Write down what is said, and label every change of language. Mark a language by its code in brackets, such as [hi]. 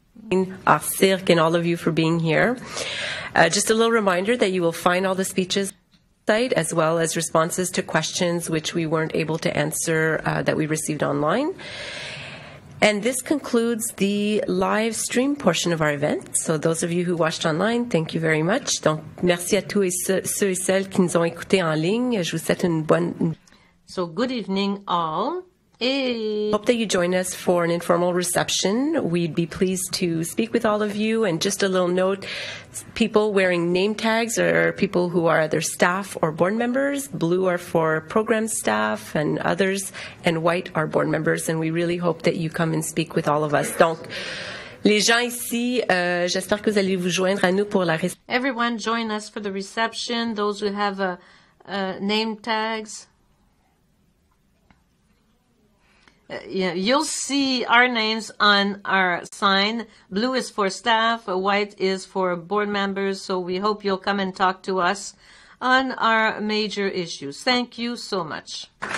[en] Artcirq and all of you for being here. Just a little reminder that you will find all the speeches on the site, as well as responses to questions which we weren't able to answer that we received online. And this concludes the live stream portion of our event. So those of you who watched online, thank you very much. [fr] Donc, merci à tous et ceux et celles qui nous ont écoutés en ligne. Je vous souhaite une bonne... [en] So good evening all. [fr] Et... [en] Hope that you join us for an informal reception. We'd be pleased to speak with all of you. And just a little note, people wearing name tags are people who are either staff or board members. Blue are for program staff and others, and white are board members. And we really hope that you come and speak with all of us. [fr] Donc, les gens ici, j'espère que vous allez vous joindre à nous pour la reception. [en] Everyone join us for the reception, those who have name tags. You'll see our names on our sign. Blue is for staff, white is for board members, so we hope you'll come and talk to us on our major issues. Thank you so much.